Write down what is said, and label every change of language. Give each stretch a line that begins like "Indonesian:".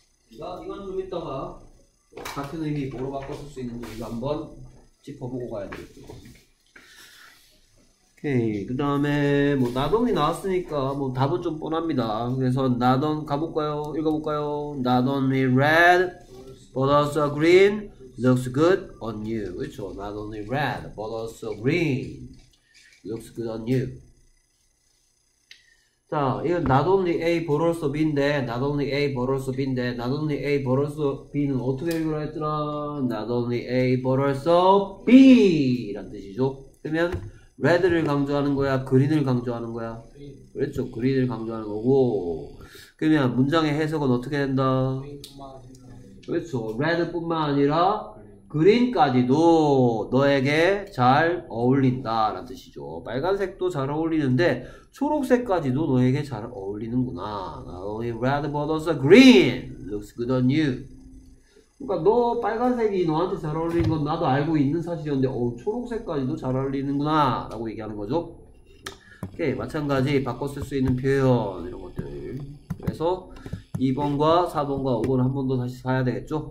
Korean: 이건 좀 이따가 같은 의미 뭐로 바꿨을 수 있는지 한번 짚어보고 가야 되겠죠. 오케이, 그 다음에 뭐 나던이 나왔으니까 뭐 답은 좀 뻔합니다. 그래서 나던 가볼까요? 읽어볼까요?
English: 나던이 red, but also green, looks good on you.
Korean: 그렇죠?
English: 나던이 red, but also green, looks good on you.
Korean: 자, 이건
English: not only A, but also B인데, not only A, but also B인데, not only A, but also B는
Korean: 어떻게 읽으라 했더라?
English: Not only A, but also B!
Korean: 라는 뜻이죠. 그러면, red를 강조하는 거야? green을 강조하는 거야? 그렇죠. green을 강조하는 거고. 그러면, 문장의 해석은 어떻게 된다? 그렇죠. red뿐만 아니라, Green까지도 너에게 잘 어울린다라는 뜻이죠. 빨간색도 잘 어울리는데 초록색까지도 너에게 잘 어울리는구나.
English: Not only red but also green looks good on you.
Korean: 그러니까 너 빨간색이 너한테 잘 어울리는 건 나도 알고 있는 사실이었는데 초록색까지도 잘 어울리는구나라고 얘기하는 거죠. 오케이, 마찬가지 바꿔 쓸수 있는 표현 이런 것들. 그래서 2번과 4번과 5번을 한번더 다시 봐야 되겠죠?